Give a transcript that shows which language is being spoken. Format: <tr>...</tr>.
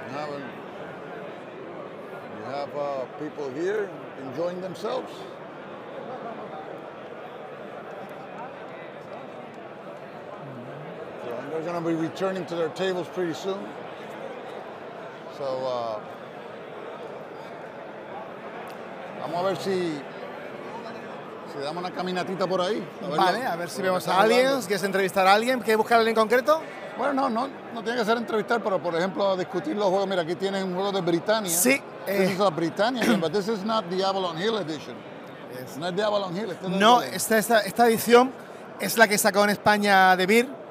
<en>We have people here enjoying themselves. They're going to be returning to their tables pretty soon.</en> <es>Vamos a ver si damos una caminatita por ahí. Vale, a ver si vemos a alguien. ¿Quieres entrevistar a alguien? ¿Quieres buscar a alguien en concreto? Bueno, no tiene que ser entrevistar, pero por ejemplo, discutir los juegos. Mira, aquí tienen un juego de Britannia. Sí.</es> <en>This is a Britannia game, but this is not the Avalon Hill edition. Yes.</en> <es>No es de Avalon Hill. Este no, esta edición es la que sacó en España De Beer.</es>